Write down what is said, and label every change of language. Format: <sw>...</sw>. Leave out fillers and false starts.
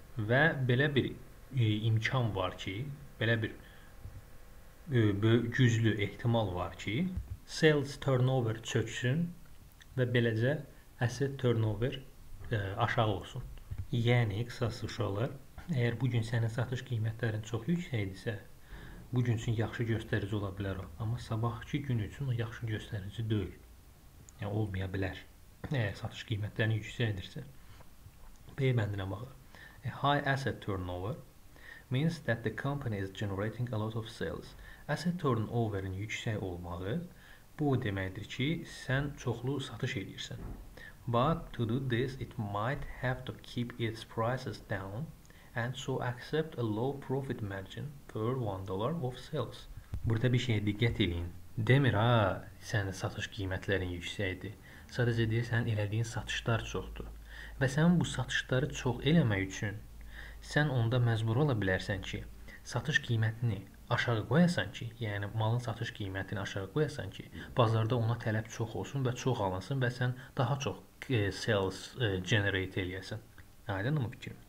<az>Və belə bir imkan var ki, belə bir güclü ehtimal var ki, sales turnover çöksün və beləcə asset turnover aşağı olsun. Yəni, qısası uşaqlar, əgər bugün sənin satış qiymətlərin çox yüksəkdirsə, bugün üçün yaxşı göstərici ola bilər o. Amma sabahkı gün üçün o yaxşı göstərici deyil. Yəni, olmaya bilər. Satış qiymətlərin yüksəkdirsə. B bəndinə baxır.</az> <en>A high asset turnover means that the company is generating a lot of sales.</en> <az>Asset turnoverin yüksək olmağı bu deməkdir ki, sən çoxlu satış edirsən.</az> <en>But to do this, it might have to keep its prices down and so accept a low profit margin per $1 of sales.</en> <az>Burada bir şeyə diqqət edin. Demir, sənin satış qiymətlərin yüksəkdir. Sadəcə deyirsən, elədiyin satışlar çoxdur. Və sən bu satışları çox eləmək üçün sən onda məcbur ola bilərsən ki, satış qiymətini aşağı qoyasan ki, yəni malın satış qiymətini aşağı qoyasan ki, bazarda ona tələb çox olsun və çox alınsın və sən daha çox sales generate eləyəsən. Aydın mı fikrim?</az>